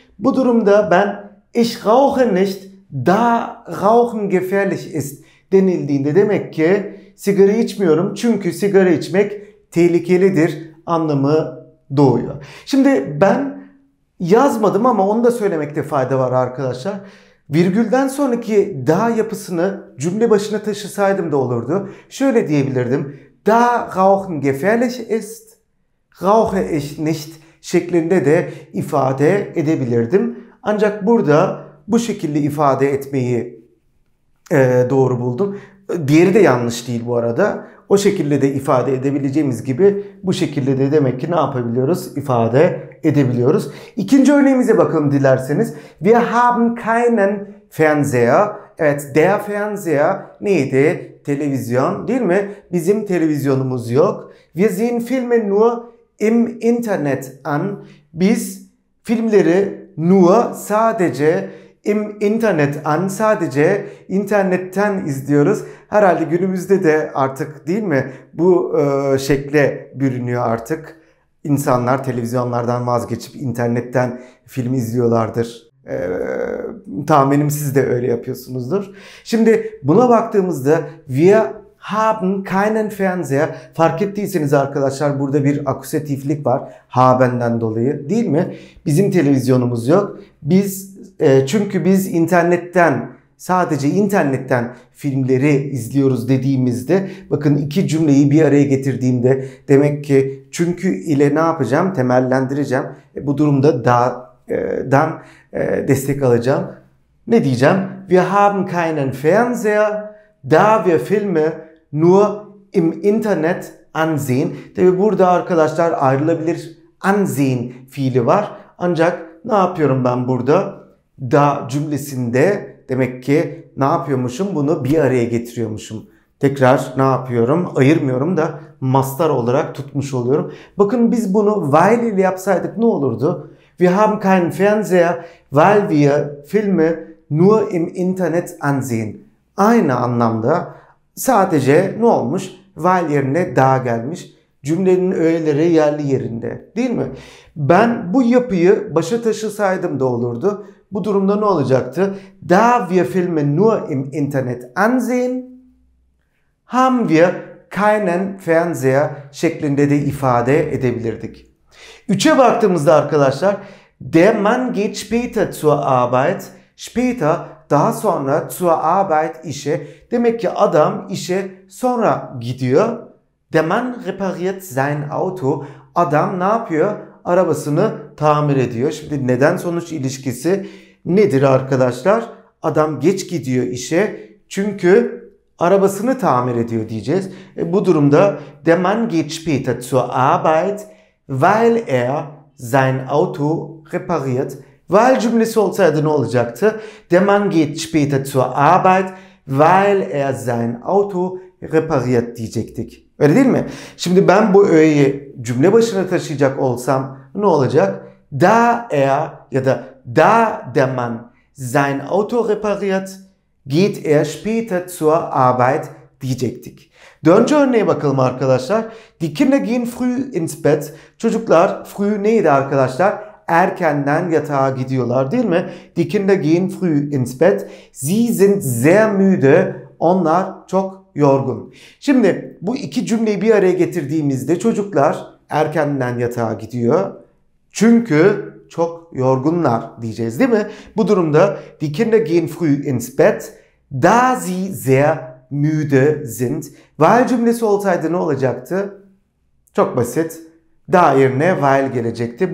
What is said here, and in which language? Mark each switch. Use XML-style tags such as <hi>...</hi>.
<tr>Bu durumda ben</tr> <de>ich rauche nicht, da rauchen gefährlich ist</de> <tr>denildiğinde demek ki sigara içmiyorum çünkü sigara içmek tehlikelidir anlamı doğuyor. Şimdi ben yazmadım ama onu da söylemekte fayda var arkadaşlar. Virgülden sonraki da yapısını cümle başına taşısaydım da olurdu. Şöyle diyebilirdim.</tr> <de>Da rauchen gefährlich ist, rauche ich nicht</de> <tr>şeklinde de ifade edebilirdim. Ancak burada bu şekilde ifade etmeyi doğru buldum. Diğeri de yanlış değil bu arada. O şekilde de ifade edebileceğimiz gibi bu şekilde de demek ki ne yapabiliyoruz? İfade edebiliyoruz. İkinci örneğimize bakalım dilerseniz.</tr> <de>Wir haben keinen Fernseher.</de> <tr>Evet,</tr> <de>der Fernseher</de> <tr>neydi? Televizyon, değil mi? Bizim televizyonumuz yok.</tr> <de>Wir sehen Filme nur im Internet an.</de> <tr>Biz filmleri</tr> <de>nur</de> <tr>sadece</tr> <de>im Internet an,</de> <tr>sadece internetten izliyoruz. Herhalde günümüzde de artık, değil mi, bu şekle bürünüyor artık. İnsanlar televizyonlardan vazgeçip internetten film izliyorlardır. Tahminim siz de öyle yapıyorsunuzdur. Şimdi buna baktığımızda</tr> <de>wir haben keinen Fernseher.</de> <tr>Fark ettiyseniz arkadaşlar burada bir akusatiflik var. Haben'den dolayı, değil mi? Bizim televizyonumuz yok. Çünkü biz internetten, sadece internetten filmleri izliyoruz dediğimizde, bakın iki cümleyi bir araya getirdiğimde demek ki çünkü ile ne yapacağım? Temellendireceğim. Bu durumda da'dan destek alacağım. Ne diyeceğim?</tr> <de>Wir haben keinen Fernseher, da wir Filme nur im Internet ansehen.</de> <tr>Tabii burada arkadaşlar ayrılabilir ansehen fiili var. Ancak ne yapıyorum ben burada? Da cümlesinde demek ki ne yapıyormuşum? Bunu bir araya getiriyormuşum. Tekrar ne yapıyorum? Ayırmıyorum da mastar olarak tutmuş oluyorum. Bakın biz bunu weil ile yapsaydık ne olurdu?</tr> <de>Wir haben keinen Fernseher, weil wir Filme nur im Internet ansehen.</de> <tr>Aynı anlamda, sadece ne olmuş? Weil yerine da gelmiş. Cümlenin öğeleri yerli yerinde, değil mi? Ben bu yapıyı başa taşısaydım da olurdu. Bu durumda ne olacaktı?</tr> <de>Da wir Filme nur im Internet ansehen, haben wir keinen Fernseher</de> <tr>şeklinde de ifade edebilirdik. Üçe baktığımızda arkadaşlar,</tr> <de>der Mann geht später zur Arbeit, später</de> <tr>daha sonra</tr> <de>zur Arbeit</de> <tr>işe, demek ki adam işe sonra gidiyor.</tr> <de>Der Mann repariert sein Auto.</de> <tr>Adam ne yapıyor? Arabasını tamir ediyor. Şimdi neden sonuç ilişkisi nedir arkadaşlar? Adam geç gidiyor işe çünkü arabasını tamir ediyor diyeceğiz. Bu durumda</tr> <de>der Mann geht später zur Arbeit, weil er sein Auto repariert.</de> <tr>Weil cümlesi olsaydı ne olacaktı?</tr> <de>Der Mann geht später zur Arbeit, weil er sein Auto repariert</de> <tr>diyecektik. Öyle değil mi? Şimdi ben bu öğeyi cümle başına taşıyacak olsam ne olacak?</tr> <de>Da er</de> <tr>ya da</tr> <de>da der Mann sein Auto repariert, geht er später zur Arbeit.</de> <tr>diyecektik. Dönce örneğe bakalım arkadaşlar.</tr> <de>Die Kinder gehen früh ins Bett.</de> <tr>Çocuklar</tr> <de>früh</de> <tr>neydi arkadaşlar? Erkenden yatağa gidiyorlar değil mi?</tr> <de>Die Kinder gehen früh ins Bett. Sie sind sehr müde.</de> <tr>Onlar çok yorgun. Şimdi bu iki cümleyi bir araya getirdiğimizde çocuklar erkenden yatağa gidiyor. Çünkü çok yorgunlar diyeceğiz değil mi? Bu durumda</tr> <de>die Kinder gehen früh ins Bett. Da sie sehr müde sind.</de> <tr>Weil cümlesi olsaydı ne olacaktı? Çok basit. Da yerine weil gelecekti.</tr>